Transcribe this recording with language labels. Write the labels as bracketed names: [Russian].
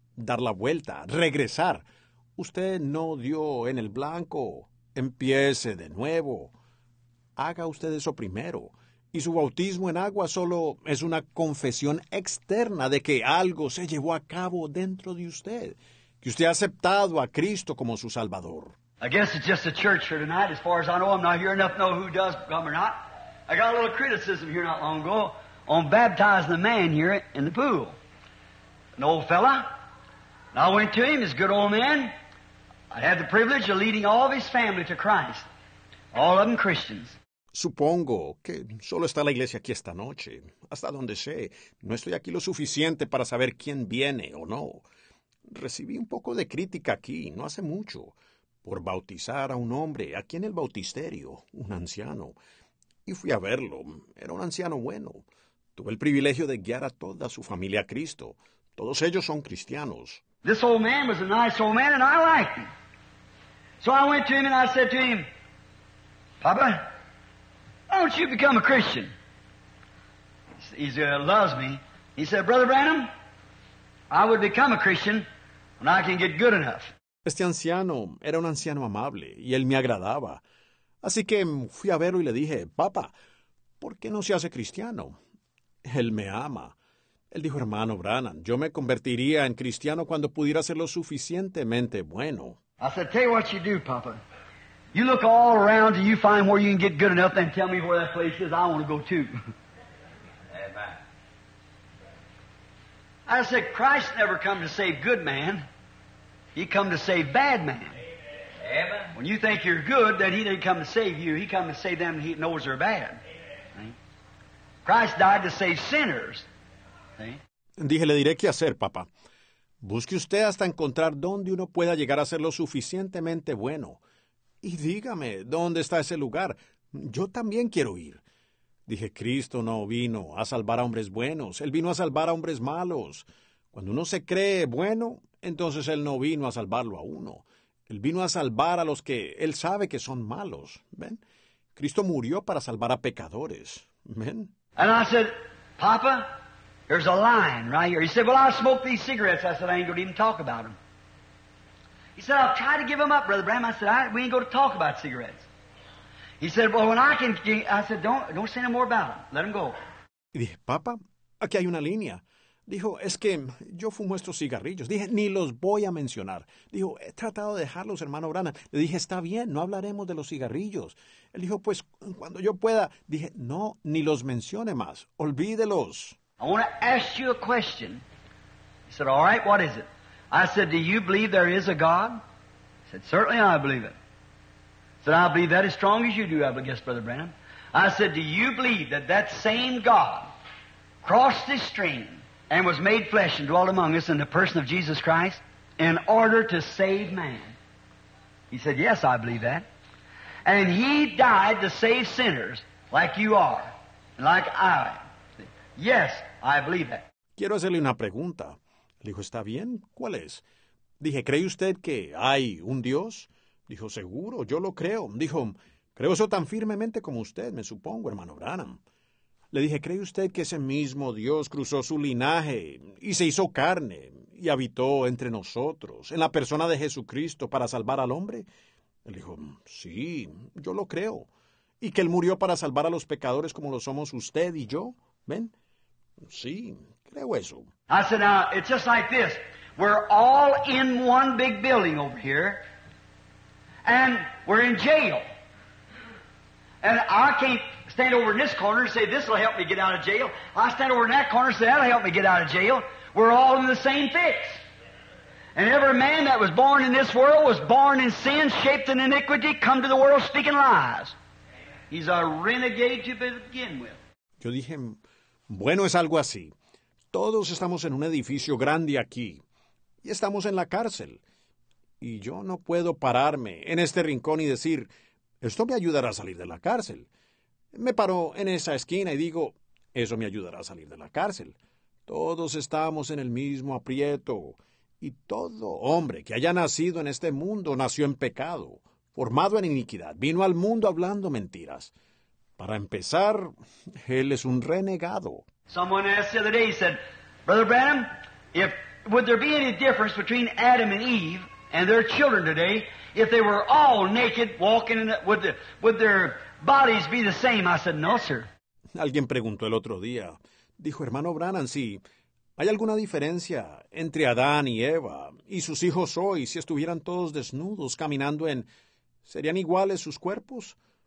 [Spanish] dar la vuelta, regresar. Usted no dio en el blanco. Empiece de nuevo. Haga usted eso primero. Y su bautismo en agua solo es una confesión externa de que algo se llevó a cabo dentro de usted, que usted ha aceptado a Cristo como su Salvador. [English] I guess it's just a church here tonight. As far as I know, I'm not here enough to know who does come or not. I got a little criticism here not long ago on baptizing a man here in the pool. An old fella. And I went to him. He's a good old man. I had the privilege of leading all of his family to Christ. All of them Christians. [Spanish] Supongo que solo está la iglesia aquí esta noche. Hasta donde sé, no estoy aquí lo suficiente para saber quién viene o no. Recibí un poco de crítica aquí, no hace mucho, por bautizar a un hombre aquí en el bautisterio, un anciano. Y fui a verlo. Era un anciano bueno. Tuve el privilegio de guiar a toda su familia a Cristo. Todos ellos son cristianos. [English] This old man was a nice old man and I liked him. So I went to him and I said to him, Papa, why don't you become a Christian? He loves me. He said, Brother Branham, I would become a Christian when I can get good enough. [Spanish] Este anciano era un anciano amable y él me agradaba. Así que fui a verlo y le dije, Papa, ¿por qué no se hace cristiano? Él me ama. Él dijo, hermano Branham, yo me convertiría en cristiano cuando pudiera ser lo suficientemente bueno. [English] I said, tell you what you do, Papa. You look all around and you find where you can get good enough, then tell me where that place is. I want to go too. Amen. I said, Christ never come to save good man. He come to save bad man. Amen. When you think you're good, then he didn't come to save you. He come to save them he knows are bad. Amen. Christ died to save sinners. [Spanish] Dije, le diré qué hacer, papá. Busque usted hasta encontrar dónde uno pueda llegar a ser lo suficientemente bueno. Y dígame, ¿dónde está ese lugar? Yo también quiero ir. Dije, Cristo no vino a salvar a hombres buenos. Él vino a salvar a hombres malos. Cuando uno se cree bueno, entonces Él no vino a salvarlo a uno. Él vino a salvar a los que Él sabe que son malos. ¿Ven? Cristo murió para salvar a pecadores. ¿Ven? [English] And I said, Papa, there's a line right here. He said, well, I smoke these cigarettes. I said, I ain't going to even talk about them. He said, I'll try to give them up, Brother Branham. I said, we ain't going to talk about cigarettes. He said, well, when I can... I said, don't say no more about them. Let them go. [Spanish] Y dije, Papa, aquí hay una línea. Dijo, es que yo fumo estos cigarrillos. Dije, ni los voy a mencionar. Dijo, he tratado de dejarlos, hermano Branham. Le dije, está bien, no hablaremos de los cigarrillos. Él dijo, pues, cuando yo pueda. Dije, no, ni los mencione más. Olvídelos. [English] I want to ask you a question. He said, all right, what is it? I said, do you believe there is a God? He said, certainly I believe it. He said, I believe that as strong as you do, I guess, Brother Branham. I said, do you believe that that same God crossed this stream and was made flesh and dwelt among us in the person of Jesus Christ in order to save man? He said, yes, I believe that. And He died to save sinners like you are, like I. Yes, I believe that. [Spanish] Quiero hacerle una pregunta. Dijo, ¿está bien? ¿Cuál es? Dije, ¿cree usted que hay un Dios? Dijo, seguro, yo lo creo. Dijo, creo eso tan firmemente como usted, me supongo, hermano Branham. Le dije, ¿cree usted que ese mismo Dios cruzó su linaje y se hizo carne y habitó entre nosotros, en la persona de Jesucristo, para salvar al hombre? Él dijo, sí, yo lo creo. ¿Y que Él murió para salvar a los pecadores como lo somos usted y yo? ¿Ven? Sí. [English] I said, now, it's just like this. We're all in one big building over here, and we're in jail. And I can't stand over in this corner and say, this will help me get out of jail. I stand over in that corner and say, that'll help me get out of jail. We're all in the same fix. And every man that was born in this world was born in sin, shaped in iniquity, come to the world speaking lies. He's a renegade to begin with. [Spanish] Yo dije, bueno, es algo así. Todos estamos en un edificio grande aquí, y estamos en la cárcel. Y yo no puedo pararme en este rincón y decir, esto me ayudará a salir de la cárcel. Me paro en esa esquina y digo, eso me ayudará a salir de la cárcel. Todos estamos en el mismo aprieto, y todo hombre que haya nacido en este mundo nació en pecado, formado en iniquidad, vino al mundo hablando mentiras. Para empezar, él es un renegado. [English] Someone asked the other day, he said, Brother Branham, if Would there be any difference between Adam and Eve and their children today if they were all naked walking in the, would their bodies be the same? I said, no, sir. [Spanish] Alguien preguntó el otro día, dijo, hermano Branham, si hay alguna diferencia entre Adán y Eva y sus hijos hoy, si estuvieran todos desnudos caminando en, ¿serían iguales sus cuerpos?